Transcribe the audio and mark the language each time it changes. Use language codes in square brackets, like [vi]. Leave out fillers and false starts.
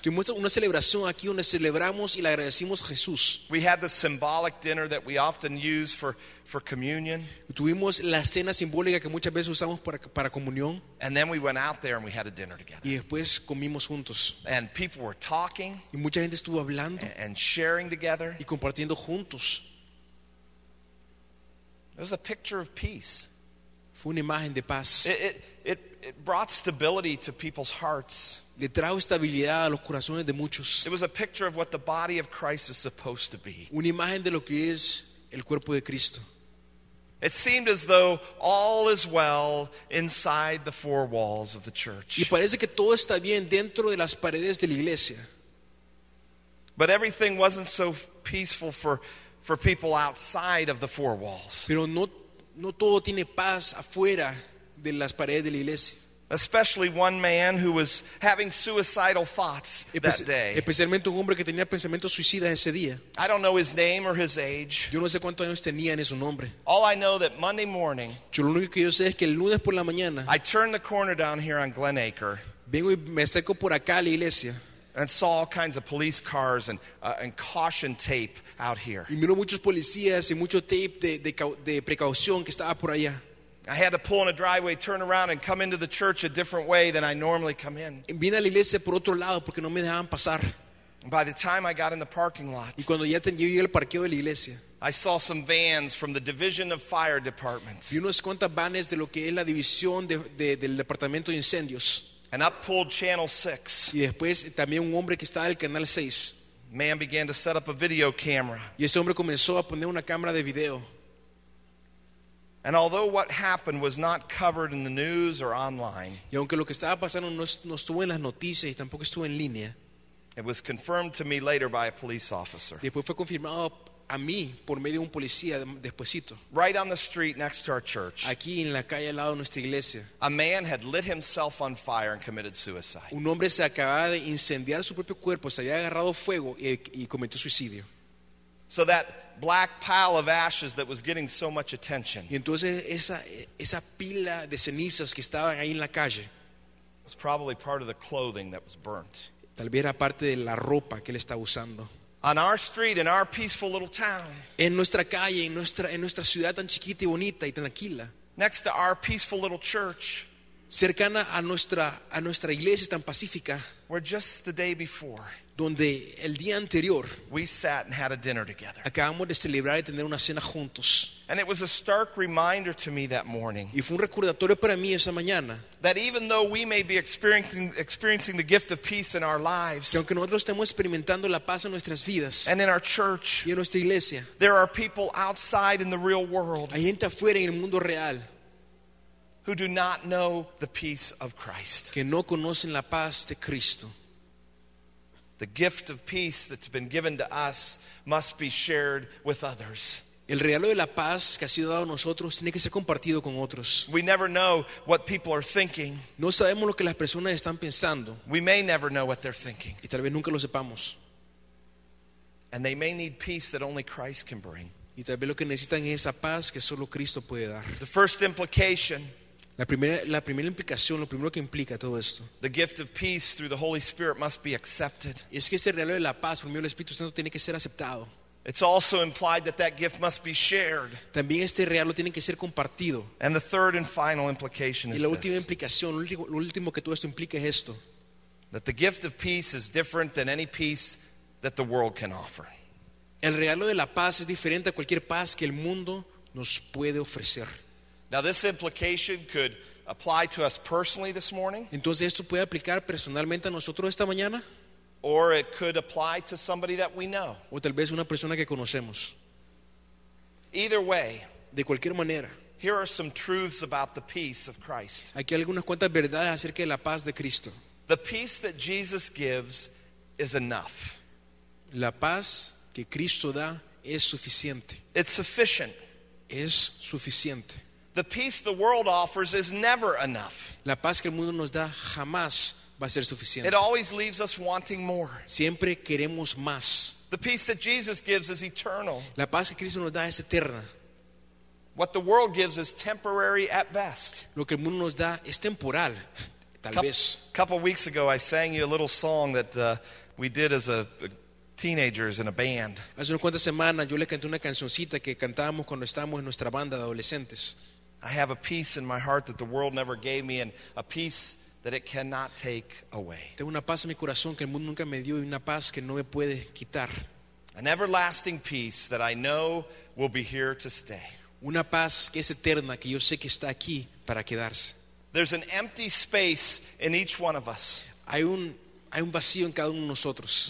[es] Tuvimos una celebración aquí donde celebramos y le agradecimos a Jesús. [en] We had the symbolic dinner that we often use for communion. [es] Tuvimos la cena simbólica que muchas veces usamos para comunión. [en] And then we went out there and we had a dinner together. [es] Y después comimos juntos. [en] And people were talking. [es] Y mucha gente estuvo hablando. [en] And sharing together. [es] Y compartiendo juntos. [en] It was a picture of peace. [es] Fue una imagen de paz. [en] It brought stability to people's hearts. [es] Le trajo estabilidad a los corazones de muchos. [en] It was a picture of what the body of Christ is supposed to be. [es] Una imagen de lo que es el cuerpo de Cristo. [en] It seemed as though all is well inside the four walls of the church. [es] Y parece que todo está bien dentro de las paredes de la iglesia. [en] But everything wasn't so peaceful for people outside of the four walls. [es] Pero no todo tiene paz afuera de las paredes de la iglesia. [en] Especially one man who was having suicidal thoughts that day. [es] Especialmente un hombre que tenía pensamientos suicidas ese día. [en] I don't know his name or his age. [es] Yo no sé cuántos años tenía ni su nombre. [en] All I know that Monday morning. [es] Yo lo único que yo sé es que el lunes por la mañana. [en] I turned the corner down here on Glen Acre. [es] Vengo y me acerco por acá a la iglesia. [en] And saw all kinds of police cars and caution tape out here. [es] Y miró muchos policías y mucho tape de precaución que estaba por allá. [en] I had to pull in a driveway, turn around, and come into the church a different way than I normally come in. [es] Vine a la iglesia por otro lado porque no me dejaban pasar. [en] By the time I got in the parking lot, [es] y cuando ya llegué al parqueo de la iglesia, [en] I saw some vans from the Division of Fire Department. [es] Y unos cuantas vanes de lo que es la división del departamento de incendios. [en] And up pulled Channel 6. [es] Y después también un hombre que estaba en el canal 6. [en] Man began to set up a video camera. [es] Y este hombre comenzó a poner una cámara de video. [en] And although what happened was not covered in the news or online, [es] y aunque lo que estaba pasando no estuvo en las noticias y tampoco estuvo en línea, [en] it was confirmed to me later by a police officer. [es] Después fue confirmado a mí por medio de un policía despuesito. [en] Right on the street next to our church, [es] aquí en la calle al lado de nuestra iglesia, [en] a man had lit himself on fire and committed suicide. [es] Un hombre se acababa de incendiar su propio cuerpo, se había agarrado fuego y cometió suicidio. [en] So that black pile of ashes that was getting so much attention, [es] y entonces esa pila de cenizas que estaban ahí en la calle, [en] was probably part of the clothing that was burnt. [es] Tal vez era parte de la ropa que él estaba usando. [en] On our street, in our peaceful little town, [es] en nuestra calle, en nuestra ciudad tan chiquita y bonita y tranquila, [en] next to our peaceful little church, [es] cercana a nuestra iglesia tan pacífica, [en] where just the day before, [es] donde el día anterior, [en] we sat and had a dinner together. [es] Acabamos de celebrar y tener una cena juntos. [en] And it was a stark reminder to me that morning, [es] y fue un recordatorio para mí esa mañana, [en] that even though we may be experiencing the gift of peace in our lives, [es] que aunque nosotros estemos experimentando la paz en nuestras vidas, [en] and in our church, [es] y en nuestra iglesia, [en] there are people outside in the real world, [es] hay gente afuera en el mundo real, [en] who do not know the peace of Christ, [es] que no conocen la paz de Cristo. [en] The gift of peace that's been given to us must be shared with others. [es] El regalo de la paz que ha sido dado a nosotros tiene que ser compartido con otros. [en] We never know what people are thinking. [es] No sabemos lo que las personas están pensando. [en] We may never know what they're thinking. [es] Y tal vez nunca lo sepamos. [en] And they may need peace that only Christ can bring. [es] Y tal vez lo que necesitan es esa paz que solo Cristo puede dar. [en] The first implication. [es] La primera implicación, lo primero que implica todo esto, [en] the gift of peace through the Holy Spirit must be accepted. [es] Es que ese regalo de la paz por medio del Espíritu Santo tiene que ser aceptado. [en] It's also implied that that gift must be shared. [es] También este regalo tiene que ser compartido. [en] And the third and final implication is this. [es] Y la última implicación, lo último que todo esto implica es esto. [en] That the gift of peace is different than any peace that the world can offer. [es] El regalo de la paz es diferente a cualquier paz que el mundo nos puede ofrecer. [en] Now this implication could apply to us personally this morning. [es] Entonces esto puede aplicar personalmente a nosotros esta mañana. [en] Or it could apply to somebody that we know. [es] O tal vez una persona que conocemos. [en] Either way, [es] de cualquier manera, [en] here are some truths about the peace of Christ. [es] Aquí hay algunas cuantas verdades acerca de la paz de Cristo. [en] The peace that Jesus gives is enough. [es] La paz que Cristo da es suficiente. [en] It's sufficient. [es] Es suficiente. [en] The peace the world offers is never enough. [es] La paz que el mundo nos da jamás va a ser suficiente. [en] It always leaves us wanting more. [es] Siempre queremos más. [en] The peace that Jesus gives is eternal. [es] La paz que Cristo nos da es eterna. [en] What the world gives is temporary at best. [es] Lo que el mundo nos da es temporal, tal vez. [en] A couple weeks ago, I sang you a little song that we did as a teenagers in a band. [es] Hace unas cuantas semanas yo le canté una cancioncita que cantábamos cuando estábamos en nuestra banda de adolescentes. [en] I have a peace in my heart that the world never gave me, and a peace that it cannot take away. [es] Tengo una paz en mi corazón que el mundo nunca me dio y una paz que no me puede quitar. [en] An everlasting peace that I know will be here to stay. [es] Una paz que es eterna que yo sé que está aquí para quedarse. [en] There's an empty space in each one of us. [es] Hay un vacío en cada uno de nosotros.